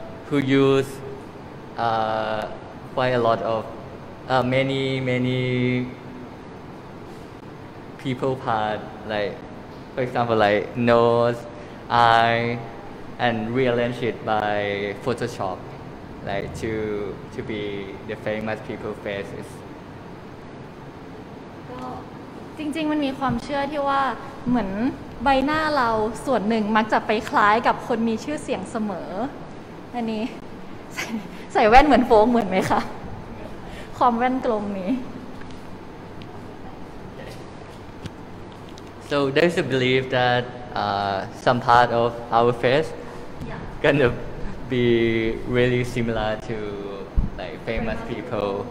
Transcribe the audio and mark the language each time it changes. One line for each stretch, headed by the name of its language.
English: Who use quite a lot of many people part, like for example like nose, eye, and rearrange it by Photoshop, like to be the famous people faces.
Thai: ก็จริงๆมันมีความเชื่อที่ว่าเหมือนใบหน้าเราส่วนหนึ่งมักจะไปคล้ายกับคนมีชื่อเสียงเสมออันนี้ใส่แว่นเหมือนโฟกเหมือนไหมคะความแว่นกลมนี้
English: So there's a belief that some part of our face gonna be really similar to like famous people